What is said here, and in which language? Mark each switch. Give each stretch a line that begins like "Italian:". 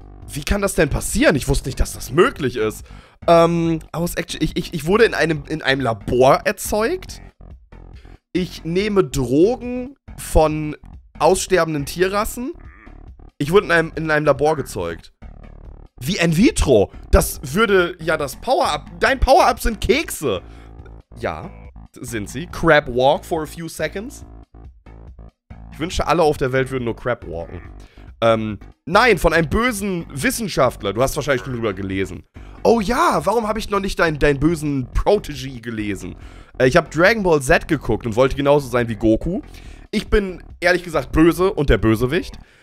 German: Wie kann das denn passieren? Ich wusste nicht, dass das möglich ist. Ich wurde in einem Labor erzeugt. Ich nehme Drogen von aussterbenden Tierrassen. Ich wurde in einem Labor gezeugt. Wie in vitro? Das würde ja das Power-Up... Dein Power-Up sind Kekse. Ja, sind sie.
English: Crab walk for a few seconds.
German: Ich wünsche, alle auf der Welt würden nur Crab walken. Nein, von einem bösen Wissenschaftler. Du hast wahrscheinlich schon drüber gelesen. Oh ja, warum habe ich noch nicht dein bösen Protégé gelesen? Ich habe Dragon Ball Z geguckt und wollte genauso sein wie Goku. Ich bin, ehrlich gesagt, böse und der Bösewicht.